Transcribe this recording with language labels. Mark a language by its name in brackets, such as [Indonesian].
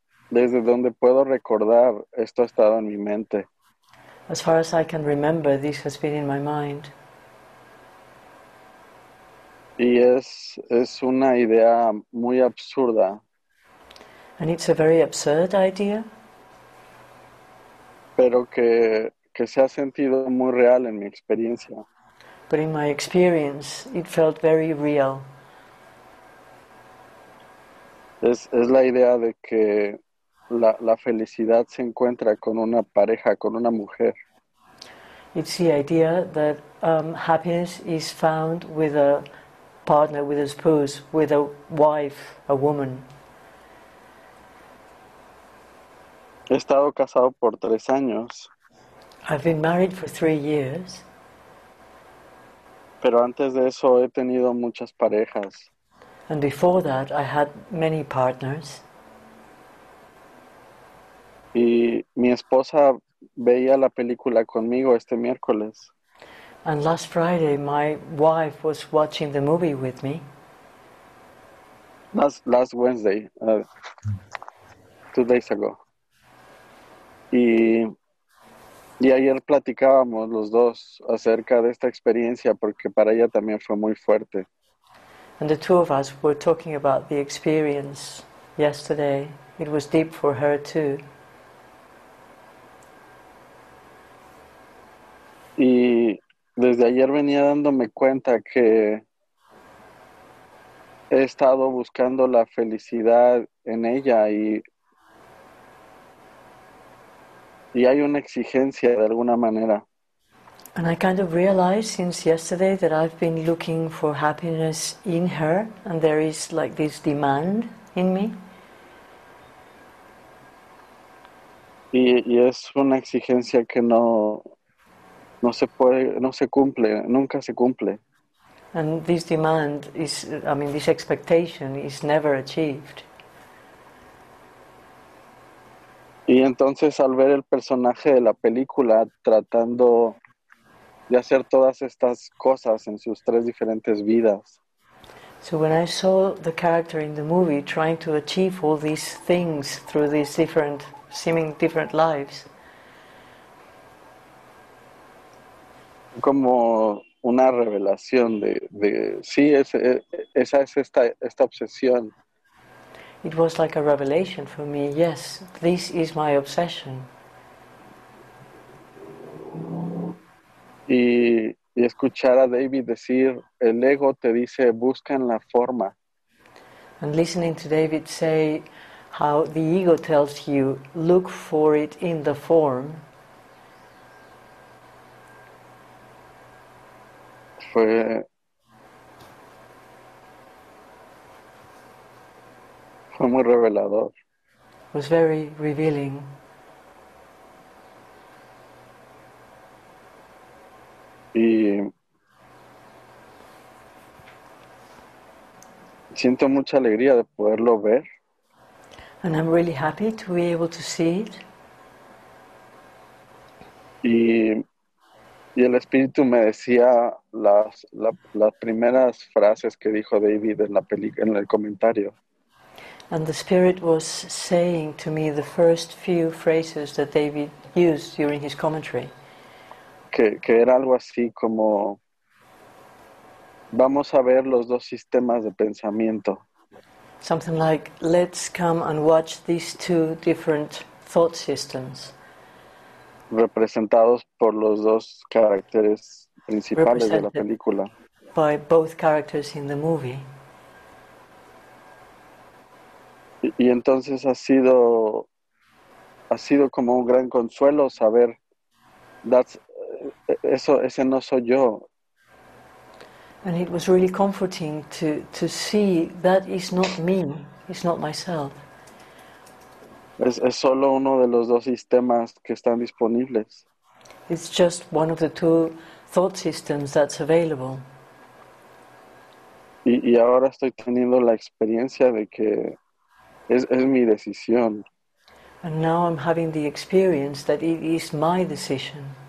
[Spanish] Desde donde puedo recordar, esto ha estado en mi mente. [English] As far as I can remember, this has been in my mind. [Spanish] Y es una idea muy absurda. [English] And it's a very absurd idea. [Spanish] Pero que se ha sentido muy real en mi experiencia. [English] But in my experience, it felt very real. [Spanish] Es la idea de que la felicidad se encuentra con una pareja, con una mujer. [English] It's the idea that happiness is found with a partner, with a spouse, with a wife, a woman. [Spanish] He estado casado por 3 años. [English] I've been married for 3 years. [Spanish] Pero antes de eso he tenido muchas parejas. [English] And before that I had many partners. [Spanish] Y mi esposa veía la película conmigo este miércoles. [English] And last Friday my wife was watching the movie with me. Last Wednesday, 2 days ago. [Spanish] Y ayer platicábamos los dos acerca de esta experiencia porque para ella también fue muy fuerte. [English] And the two of us were talking about the experience yesterday. It was deep for her too. [Spanish] Y desde ayer venía dándome cuenta que he estado buscando la felicidad en ella y hay una exigencia de alguna manera. [English] And I kind of realized since yesterday that I've been looking for happiness in her and there is like this demand in me. [Spanish] Y es una exigencia que no se puede, no se cumple, nunca se cumple. [English] And this demand is, I mean, this expectation is never achieved. [Spanish] Y entonces al ver el personaje de la película tratando de hacer todas estas cosas en sus 3 diferentes vidas. [English] So when I saw the character in the movie trying to achieve all these things through these different, seeming different lives. [Spanish] Como una revelación de sí, esa es esta obsesión. [English] It was like a revelation for me, yes, this is my obsession. [Spanish] Y escuchar a David decir, el ego te dice, busca en la forma. [English] And listening to David say how the ego tells you, look for it in the form. [Spanish] Fue muy revelador. [English] It was very revealing. [Spanish] Y siento mucha alegría de poderlo ver. [English] And I'm really happy to be able to see it. [Spanish] Y el espíritu me decía las primeras frases que dijo David en la en el comentario. [English] And the spirit was saying to me the first few phrases that David used during his commentary. [Spanish] Que era algo así como vamos a ver los dos sistemas de pensamiento. [English] Something like let's come and watch these two different thought systems. [Spanish] Representados por los dos caracteres principales de la película. [English] By both characters in the movie. [Spanish] Y entonces ha sido como un gran consuelo saber ese no soy yo. [English] And it was really comforting to see that is not me, it's not myself. [Spanish] Es solo uno de los dos sistemas que están disponibles. [English] It's just one of the two thought systems that's available. [Spanish] Y ahora estoy teniendo la experiencia de que es mi decisión. [English] And now I'm having the experience that it is my decision.